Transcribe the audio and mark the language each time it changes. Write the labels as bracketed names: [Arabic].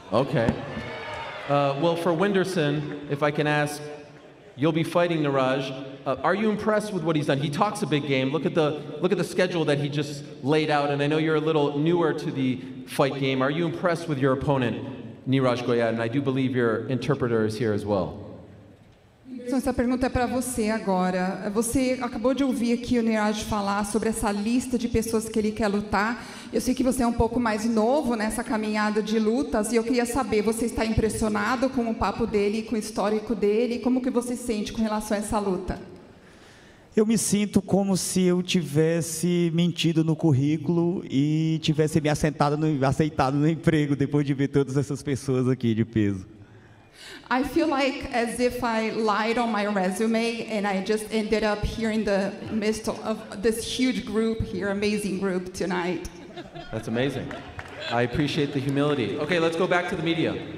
[English] Okay. Well, for Winderson, if I can ask, you'll be fighting Neeraj. Are you impressed with what he's done? He talks a big game. Look at the schedule that he just laid out. And I know you're a little newer to the fight game. Are you impressed with your opponent, Neeraj Goyad? And I do believe your interpreter is here as well. [Portuguese] Essa pergunta é para você agora. Você acabou de ouvir aqui o Neeraj falar sobre essa lista de pessoas que ele quer lutar. Eu sei que você é um pouco mais novo nessa caminhada de lutas e eu queria saber, você está impressionado com o papo dele, com o histórico dele? Como que você sente com relação a essa luta? Eu me sinto como se eu tivesse mentido no currículo e tivesse me aceitado no emprego depois de ver todas essas pessoas aqui de peso. [English] I feel like as if I lied on my resume and I just ended up here in the midst of this huge group here, amazing group tonight. That's amazing. I appreciate the humility. Okay, let's go back to the media.